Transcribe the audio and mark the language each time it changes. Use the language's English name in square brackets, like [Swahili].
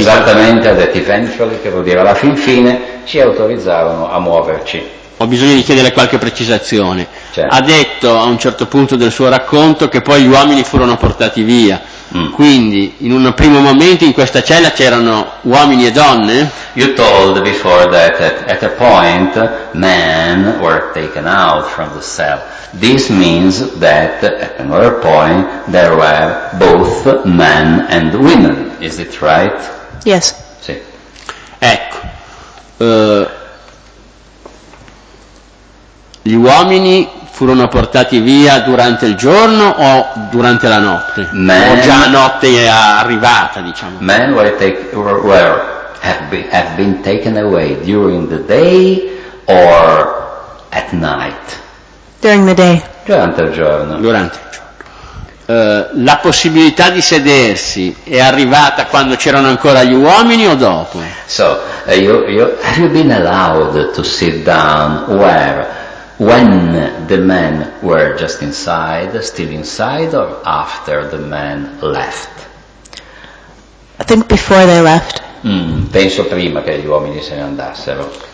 [Italian] Esattamente, ha detto eventually, che vuol dire alla fin fine, ci autorizzarono a muoverci. Ho bisogno di chiedere qualche precisazione. Certo. Ha detto a un certo punto del suo racconto che poi gli uomini furono portati via. Quindi, in un primo momento in questa cella c'erano uomini e donne? [English] You told before that at a point men were taken out from the cell. This means that at another point there were both men and women. Is it right? Yes. [Italian] Sì. Ecco. Gli uomini furono portati via durante il giorno o durante la notte? [English] Men, [Italian] o già la notte è arrivata, diciamo. [English] Men have been taken away during the day or at night? During the day. [Italian] Durante il giorno. Durante il giorno. La possibilità di sedersi è arrivata quando c'erano ancora gli uomini o dopo? [English] So, have you been allowed to sit down where? When the men were just inside, still inside, or after the men left? I think before they left. [Italian] Penso prima che gli uomini se ne andassero.